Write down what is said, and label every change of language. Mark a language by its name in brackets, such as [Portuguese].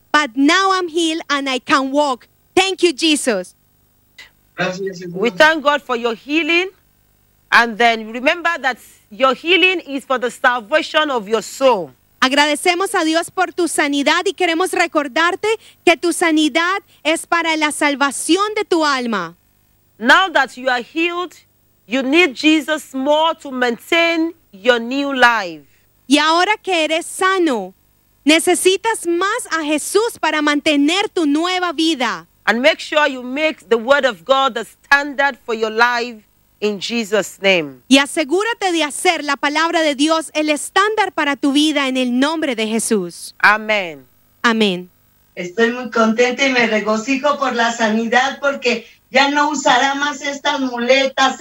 [English] But now I'm healed and I can walk. Thank you, Jesus. [Spanish] Gracias, Jesús. [English] We thank God for your healing. And then remember that your healing is for the salvation of your soul. [Spanish] Agradecemos a Dios por tu sanidad y queremos recordarte que tu sanidad es para la salvación de tu alma. [English] Now that you are healed, you need Jesus more to maintain your new life. [Spanish] Y ahora que eres sano, necesitas más a Jesús para mantener tu nueva vida. [English] And make sure you make the word of God the standard for your life in Jesus' name. [Spanish] Y asegúrate de hacer la palabra de Dios el estándar para tu vida en el nombre de Jesús. Amén. Amén. Estoy muy contenta y me regocijo por la sanidad porque ya no usará más estas muletas.